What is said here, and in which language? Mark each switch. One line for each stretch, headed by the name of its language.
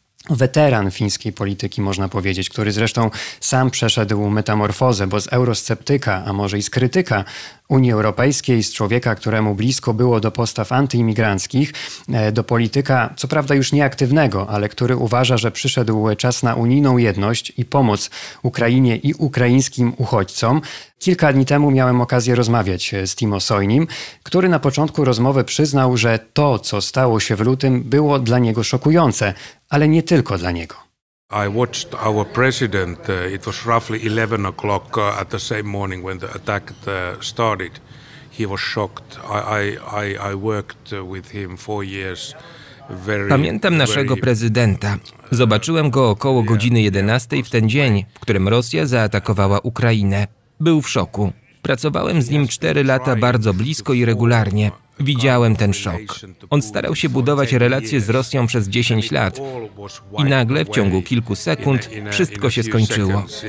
Polish: Weteran fińskiej polityki, można powiedzieć, który zresztą sam przeszedł metamorfozę, bo z eurosceptyka, a może i z krytyka Unii Europejskiej, z człowieka, któremu blisko było do postaw antyimigranckich, do polityka, co prawda już nieaktywnego, ale który uważa, że przyszedł czas na unijną jedność i pomoc Ukrainie i ukraińskim uchodźcom. Kilka dni temu miałem okazję rozmawiać z Timo Soinim, który na początku rozmowy przyznał, że to, co stało się w lutym, było dla niego szokujące, ale nie tylko dla niego.
English: I watched our president. It was roughly 11 o'clock at the same morning when the attack started. He was shocked. I worked with him 4 years.
Polish: Pamiętam naszego prezydenta. Zobaczyłem go około godziny 11 w ten dzień, w którym Rosja zaatakowała Ukrainę. Był w szoku. Pracowałem z nim 4 lata bardzo blisko i regularnie. Widziałem ten szok. On starał się budować relacje z Rosją przez 10 lat i nagle w ciągu kilku sekund wszystko się skończyło.